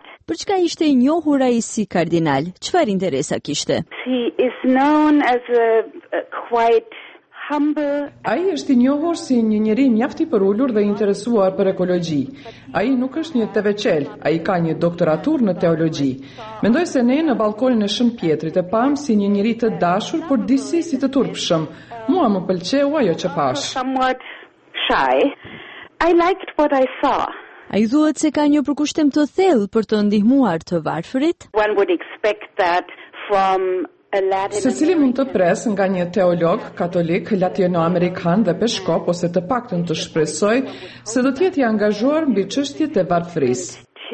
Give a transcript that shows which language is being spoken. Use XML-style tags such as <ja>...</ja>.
<sq>Për çka ishte i njohur ai si kardinal? Çfarë interesa kishte?</sq> <en>He is known as a quite humble.</en> <sq>Ai është i njohur si një njeri mjaft i përulur dhe interesuar për ekologji. Ai nuk është një teveçel, ai ka një doktoraturë në teologji. Mendoj se ne në balkonin e Shën Pietrit e pam si një njeri të dashur, por disi si të turpshëm. Mua më pëlqeu ajo që pash.</sq> <en>Somewhat shy. I liked what I saw.</en> <sq>A i duhet se ka një përkushtim të thellë për të ndihmuar të varfërit?</sq> <en>One would expect that from a Latin.</en> <sq>Se cili mund të presë nga një teolog, katolik, latino-amerikan dhe peshkop, ose të paktën të shpresoj, se do tjetë i angazhuar mbi çështjet e varfërisë.</sq>